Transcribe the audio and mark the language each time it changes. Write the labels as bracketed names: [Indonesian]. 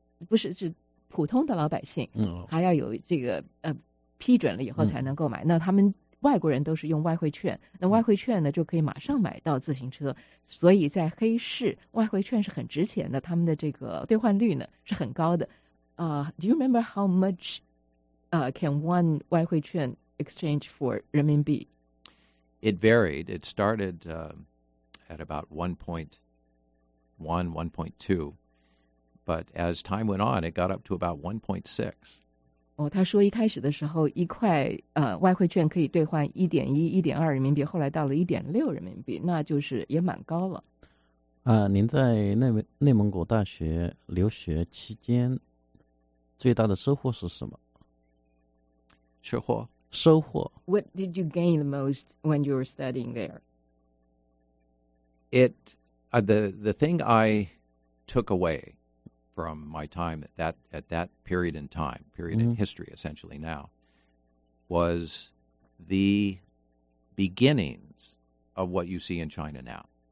[Chinese] 不是，是普通的老百姓还要有这个批准了以后才能购买。那他们外国人都是用外汇券，那外汇券呢就可以马上买到自行车，所以在黑市外汇券是很值钱的，他们的这个兑换率呢是很高的。 [English] Do you remember how much can one 外汇券 exchange for 人民币？ It varied. It started at about 1.1, 1.2, but as time went on, it got up to about 1.6. [Chinese] 哦，他说一开始的时候一块外汇券可以兑换1.1、1.2人民币，后来到了1.6人民币，那就是也蛮高了。您在内蒙古大学留学期间最大的收获是什么？收获。 [English] What did you gain the most when you were studying there? The thing I took away from my time at that period in time, period in history essentially now, was the beginnings of what you see in China now.